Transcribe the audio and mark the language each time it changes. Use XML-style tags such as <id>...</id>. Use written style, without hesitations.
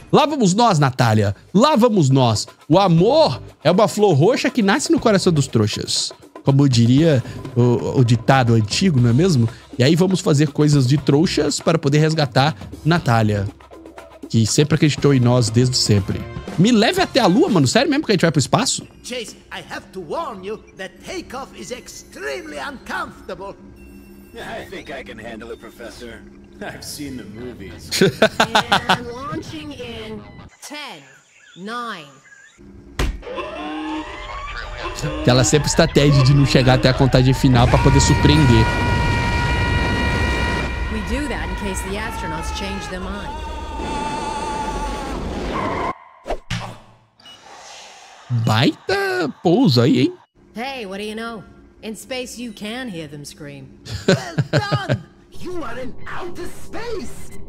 <pt>Lá vamos nós, Natália. Lá vamos nós. O amor é uma flor roxa que nasce no coração dos trouxas. Como diria o ditado antigo, não é mesmo? E aí vamos fazer coisas de trouxas para poder resgatar Natália, que sempre acreditou em nós desde sempre. Me leve até a Lua, mano. Sério mesmo que a gente vai pro espaço?</pt> <en>Chase, I have to warn you that takeoff is extremely uncomfortable. I think I can handle it, Professor. I've seen the movies. And launching in 10, 9.</en> <pt>Ela sempre estratégia de não chegar até a contagem final para poder surpreender.</pt> <en>We do that in case the astronauts change their mind.</en> <pt>Baita pouso aí, hein?</pt> <en>Hey, what do you know? In space you can hear them scream. Well done! You are in outer space!</en>